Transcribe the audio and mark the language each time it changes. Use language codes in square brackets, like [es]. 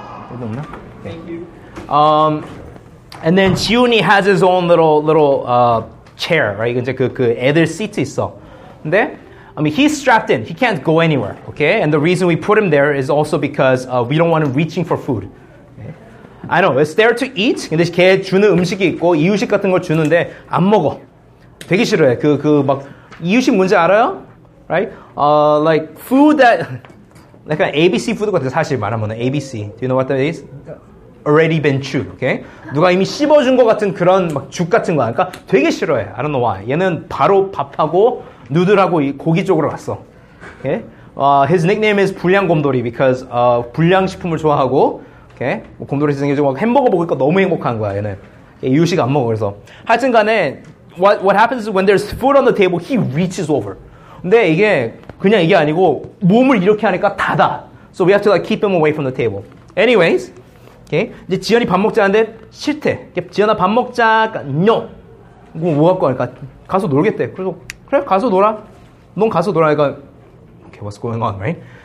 [en] Okay. Thank you. And then Jiuni has his own little chair, right? [ko] 이제 그 애들 시트 있어. 근데, [en] I mean, he's strapped in. He can't go anywhere, okay? And the reason we put him there is also because we don't want him reaching for food. Okay? I know, it's there to eat. [ko] 근데 걔 주는 음식이 있고, 이유식 같은 걸 주는데, 안 먹어. 되게 싫어해. 막, 이유식 뭔지 알아요? Right? [en] Like, food that, like an ABC food [ko] 같은 사실 말하면, [en] ABC. Do you know what that is? Already been chewed, okay? [ko] 누가 이미 씹어준 것 같은 그런 막 죽 같은 거야. 그러니까 되게 싫어해. [en] I don't know why. [ko] 얘는 바로 밥하고 누들하고 이 고기 쪽으로 갔어. [en] Okay? His nickname is 불량곰돌이 because [ko] 불량식품을 좋아하고 [en] okay? [ko] 뭐 곰돌이 생겨서 막 햄버거 먹으니까 너무 행복한 거야, 얘는. 이유식 안 먹어, 그래서. 하여튼 간에 [en] what happens is when there's food on the table, he reaches over. [ko] 근데 이게 그냥 이게 아니고 몸을 이렇게 하니까 닫아. [en] So we have to like keep him away from the table. Anyways, Okay. [ko] 이제 지연이 밥 먹자는데 싫대. 지연아 밥 먹자. 뇨. 뭐 갖고 하니까 가서 놀겠대. 그래서 그래 가서 놀아. 넌 가서 놀아. 그러니까 [en] okay, what's going on, right?